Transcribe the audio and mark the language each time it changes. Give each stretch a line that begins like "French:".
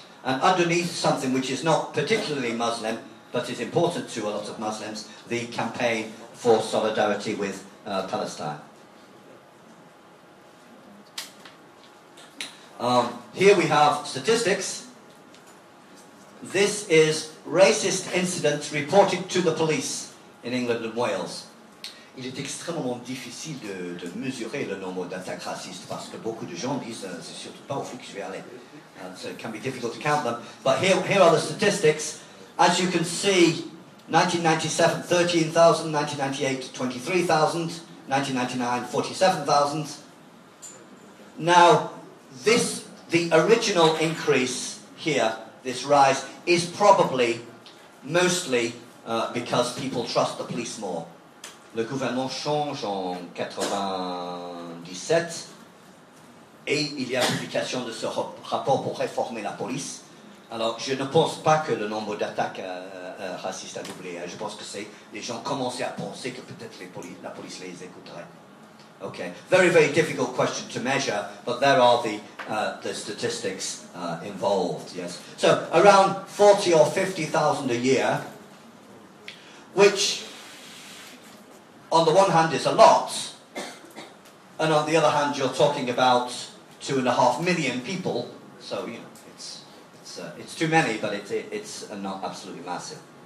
English: and underneath something which is not particularly Muslim, but is important to a lot of Muslims, the campaign for solidarity with Palestine. Here we have statistics. This is racist incidents reported to the police in England and Wales.
French: Il est extrêmement difficile de mesurer le nombre d'attaques racistes parce que beaucoup de gens disent c'est surtout pas aux flics que je vais aller.
English: And so it can be difficult to count them. But here are the statistics. As you can see, 1997, 13,000, 1998, 23,000, 1999, 47,000. Now, the original increase here, this rise, is probably mostly because people trust the police more.
French: Le gouvernement change en 97 et il y a publication de ce rapport pour réformer la police. Alors, je ne pense pas que le nombre d'attaques racistes a doublé. Je pense que c'est les gens commençaient à penser que peut-être la police les écouterait.
English: Okay, very, very difficult question to measure, but there are the statistics involved, yes. So, around 40 or 50,000 a year, which, on the one hand, is a lot, and on the other hand, you're talking about 2.5 million people, so, you know, it's too many, but it's not absolutely massive.